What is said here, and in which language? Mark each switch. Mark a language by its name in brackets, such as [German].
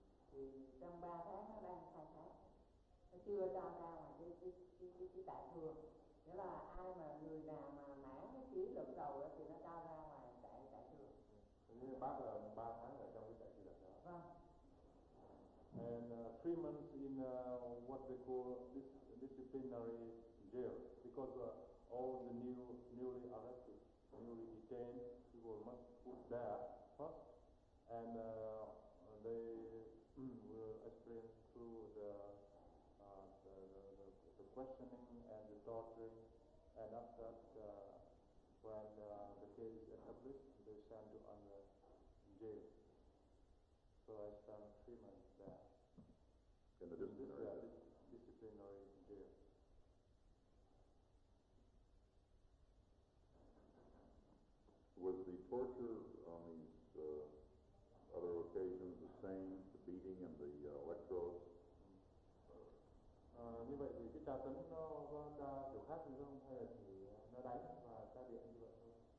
[Vietnamese] Thì trong 3 tháng nó đang khai thác. Nó chưa cho ra ngoài cái trại thường. Nghĩa là ai mà người nào mà mãn cái kỷ luật đầu đó thì nó cho ra ngoài trại thường. Như bác là 3 tháng ở trong cái trại kỷ luật đó. Vâng. [English] And 3 months in what they call disciplinary jail, because all the newly arrested, newly detained people must put there first, and they will explain through the questioning and the torturing, and after that, when the case is established, they send you on the jail. So I spent 3 months there. In the disciplinary jail? Yeah, disciplinary jail. Was the torture on these other occasions the same, the beating and the electrodes? [Vietnamese] Như vậy thì cái tra tấn nó có tra kiểu khác gì không? Hay là thì nó đánh và tra điện như vậy thôi?